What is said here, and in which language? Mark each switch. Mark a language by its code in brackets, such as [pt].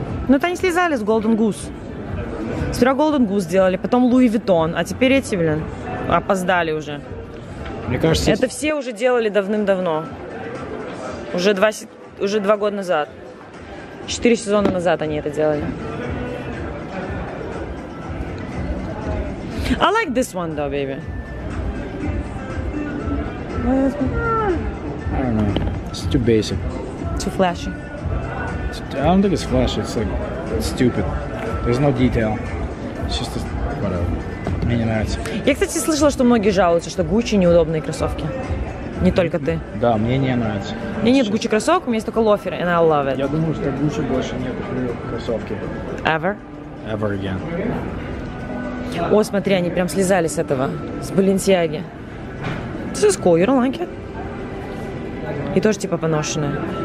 [ru] Ну это они слезали с Golden Goose. Сперва Golden Goose сделали, потом Louis Vuitton, а теперь эти, блин, опоздали уже. Мне кажется, это все уже делали давным-давно. Уже два года назад. 4 сезона назад они это делали. [en] I like this one though, baby. It's too basic. Too flashy. I don't think it's flashy, it's like stupid. There's no detail. It's just a, whatever. [ru] Мне не нравится. Я, кстати, слышала, что многие жалуются, что Gucci неудобные кроссовки. Не только ты. Да, мне не нравится. У меня нет Gucci кроссовок, у меня есть только лоферы, [en] and I love it. [ru] Я думаю, что Gucci больше нет кроссовки. [en] Ever? Ever again. [ru] О, смотри, они прям слезали с этого, с Balenciaga. [en] This is cool, you don't like it? [ru] И тоже типа поношенная.